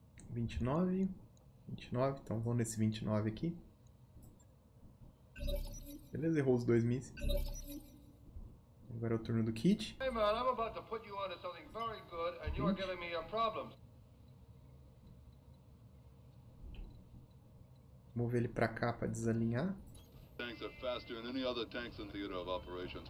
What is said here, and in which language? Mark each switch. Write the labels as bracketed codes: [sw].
[pt] Vinte e nove. Então vamos nesse 29 aqui. Beleza, errou os dois mísseis. Agora é o turno do Kit. [en] Hey man, I'm about to put you onto something very good and you are [pt] Kit. [en] giving me a problem. [pt] Mover ele pra cá pra desalinhar. [en] Tanks are faster than any other tanks in the theater of operations.